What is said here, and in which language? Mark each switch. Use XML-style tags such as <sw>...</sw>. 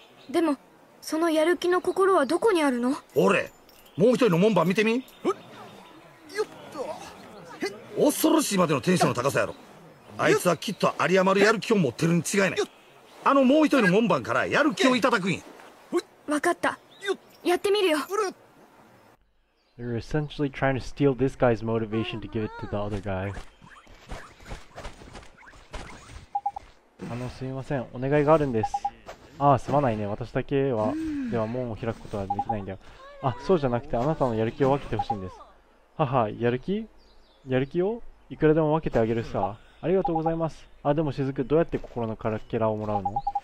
<ja>でもそのやる気の心はどこにあるの。ほれもう一人の門番見てみ。よっと、へっ、恐ろしいまでのテンションの高さやろ。あいつはきっと有り余るやる気を持ってるに違いない。あのもう一人の門番からやる気をいただくん。わかった。やってみるよ。</ja> <en>They're essentially trying to steal this guy's motivation to give it to the other guy.</en> <ja>すみません、お願いがあるんです。ああ、すまないね。私だけは、では門を開くことはできないんだよ。あ、そうじゃなくて、あなたのやる気を分けてほしいんです。母、やる気？やる気を？いくらでも分けてあげるさ。ありがとうございます。あ、でもしずく、どうやって心のカラケラをもらうの？</ja>